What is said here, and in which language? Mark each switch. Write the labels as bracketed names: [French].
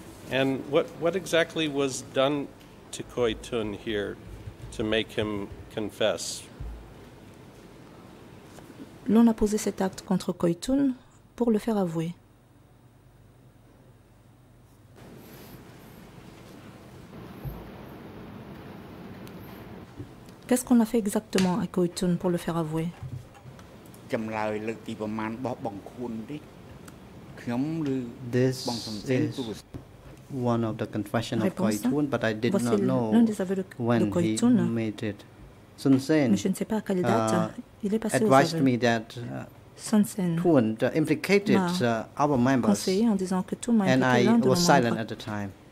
[English] And what exactly was done to Khoi Thun here to make him confess? [French] L'on a posé cet acte contre Khoi Thun pour le faire avouer. Qu'est-ce qu'on a fait exactement à Khoi Thun pour le faire avouer? [English] This is one of the confessions of Khoi Thun, but I did not know when he made it. Sun Sen advised me that Thun implicated our members, and I was silent at the time.